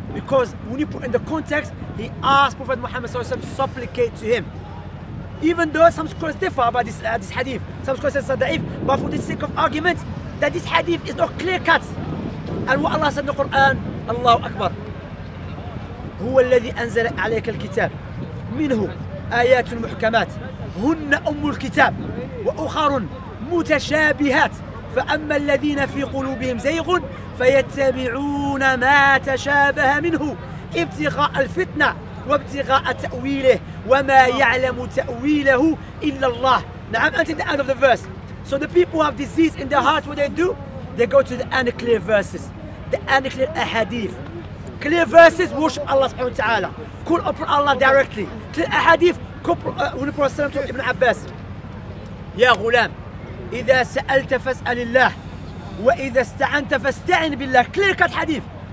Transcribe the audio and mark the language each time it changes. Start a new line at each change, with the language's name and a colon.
English: Because when you put in the context, he asked Prophet Muhammad Sallallahu Alaihi Wasallam to supplicate to him. Even though some scholars differ about this hadith, some scholars say it's a da'if, but for the sake of argument, that this hadith is not clear cut. And what Allah said in the Quran, Allahu Akbar.
Arabic: هو الذي أنزل عليك الكتاب منه آيات محكمات هن أم الكتاب وأخر متشابهات فأما الذين في قلوبهم زيغ فيتبعون ما تشابه منه ابتغاء الفتنة وابتغاء تأويله وما يعلم تأويله إلا الله. نعم,
English: until the end of the verse. So the people who have disease in their heart, what they do? They go to the unclear verses, the unclear ahadith. Clear verses, worship Allah subhanahu wa ta'ala. Call upon Allah directly. Clear ahadith, when Prophet said to Ibn Abbas, Ya ghulam,
Arabic: إذا سألت فاسأل الله وإذا استعنت فاستعن بالله.
English: Clear cut hadith.